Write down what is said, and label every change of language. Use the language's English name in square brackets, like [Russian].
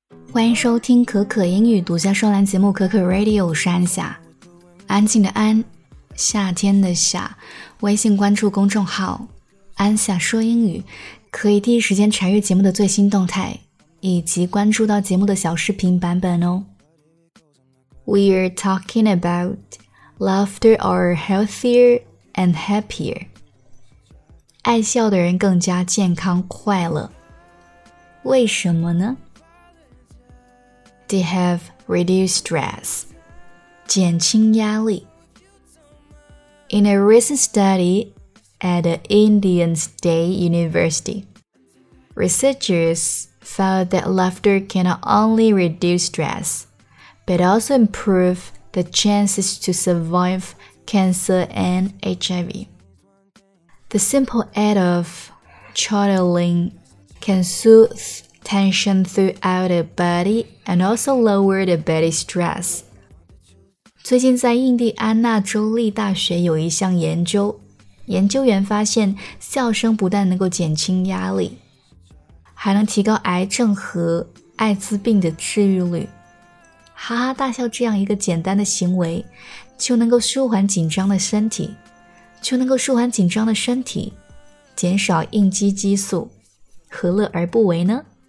[Chinese] 欢迎收听可可英语独家专栏节目可可 Radio， 我是安夏，安静的安，夏天的夏。微信关注公众号安夏说英语，可以第一时间查阅节目的最新动态，以及关注到节目的小视频版本哦。 [English] We're talking about laughter are healthier and happier. [Chinese] 爱笑的人更加健康快乐。为什么呢？ [English] They have reduced stress. [Chinese] 减轻压力。 [English] In a recent study at the Indian State University, researchers found that laughter can not only reduce stress, but also improve the chances to survive cancer and HIV. The simple act of chuckling can soothe tension throughout the body and also lower the body stress. [Chinese] 最近在印第安纳州立大学有一项研究，研究员发现笑声不但能够减轻压力，还能提高癌症和艾滋病的治愈率。哈哈大笑这样一个简单的行为，就能够舒缓紧张的身体，减少应激激素，何乐而不为呢？